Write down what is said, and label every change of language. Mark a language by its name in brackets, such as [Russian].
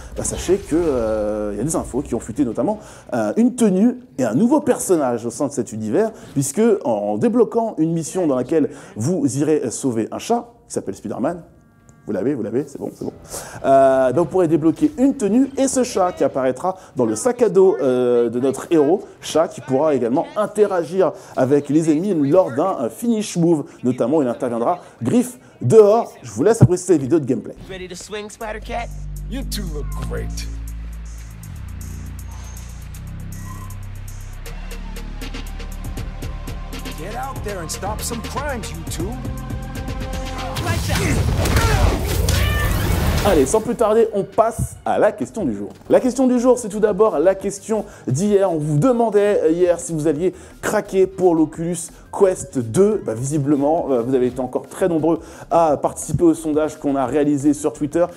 [French] Bah, sachez que il y a des infos qui ont fuité, notamment une tenue et un nouveau personnage au sein de cet univers, puisque en débloquant une mission dans laquelle vous irez sauver un chat qui s'appelle Spider-Man, Vous l'avez, c'est bon. Vous pourrez débloquer une tenue et ce chat qui apparaîtra dans le sac à dos de notre héros, chat qui pourra également interagir avec les ennemis lors d'un finish move. Notamment, il interviendra griffe dehors. Je vous laisse apprécier cette vidéo de gameplay. [English] Ready to swing, Spider-Cat? You two look great. Get out there and stop some crimes, you two. [French] Allez, sans plus tarder, on passe à la question du jour. La question du jour, c'est tout d'abord la question d'hier. On vous demandait hier si vous alliez craquer pour l'Oculus Quest 2. Bah, visiblement, vous avez été encore très nombreux à participer au sondage qu'on a réalisé sur Twitter.